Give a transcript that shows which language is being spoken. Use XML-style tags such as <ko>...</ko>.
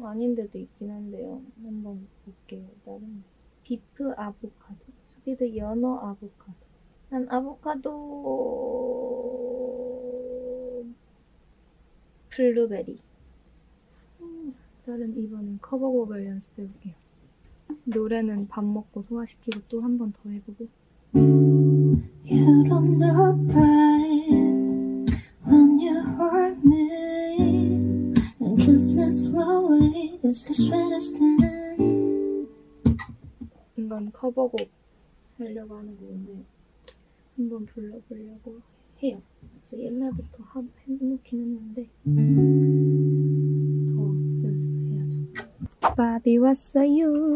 <ko>아닌데도 있긴 한데요. 한번 볼게요. 다른 비프 아보카도, 수비드 연어 아보카도. 난 아보카도 블루베리. 다른 이번엔 커버곡을 연습해볼게요. 노래는 밥 먹고 소화시키고 또한번더 해보고.</ko> <en>You don't know why when you hurt me and kiss me slowly is the sweetest thing.</en> <ko>이건 커버곡 하려고 하는 건데 한번 불러보려고 해요. 그래서 옛날부터 해놓긴 했는데 더 연습해야죠. 밥이 왔어요.</ko>